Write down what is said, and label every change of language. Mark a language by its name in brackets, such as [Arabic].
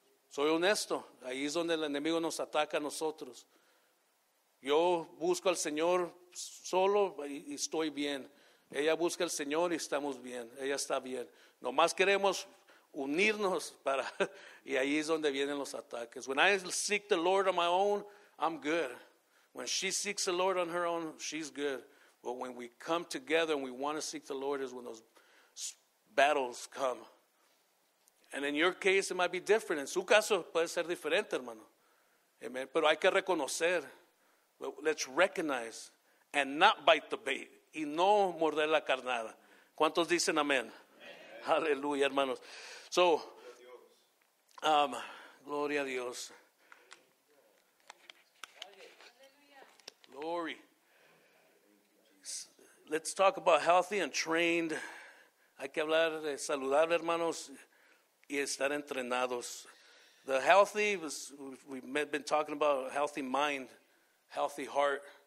[Spanish] Soy honesto. Ahí es donde el enemigo nos ataca a nosotros. Yo busco al Señor solo y estoy bien. Ella busca al Señor y estamos bien. Ella está bien. Nomás queremos unirnos para, y ahí es donde vienen los ataques. [English] When I seek the Lord on my own, I'm good. When she seeks the Lord on her own, she's good. But when we come together and we want to seek the Lord is when those battles come. And in your case, it might be different. [Spanish] En su caso, puede ser diferente, hermano. Amen. Pero hay que reconocer. [English] Let's recognize and not bite the bait. [Spanish] Y no morder la carnada. ¿Cuántos dicen amén? Aleluya, hermanos. So, gloria a Dios. [English] Glory. Let's talk about healthy and trained. [Spanish] Hay que hablar de saludable, hermanos, y estar entrenados. [English] The healthy, was, we've been talking about healthy mind, healthy heart.